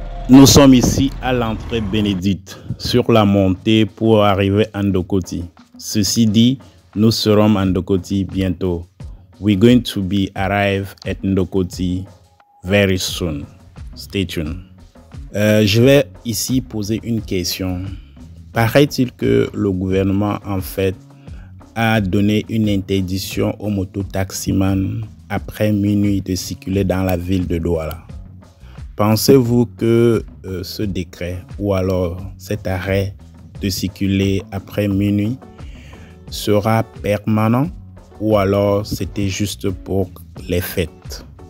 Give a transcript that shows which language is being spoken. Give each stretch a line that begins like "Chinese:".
French: Nous sommes ici à l'entrée Bénédite, sur la montée pour arriver à Ndokoti. Ceci dit, nous serons à Ndokoti bientôt.
English: We're going to be arrive at Ndokoti very soon. Stay tuned.
French: Je vais ici poser une question. Paraît-il que le gouvernement, en fait, a donné une interdiction aux mototaximan après minuit de circuler dans la ville de Douala? Pensez-vous que ce décret ou alors cet arrêt de circuler après minuit sera permanent ou alors c'était juste pour les fêtes?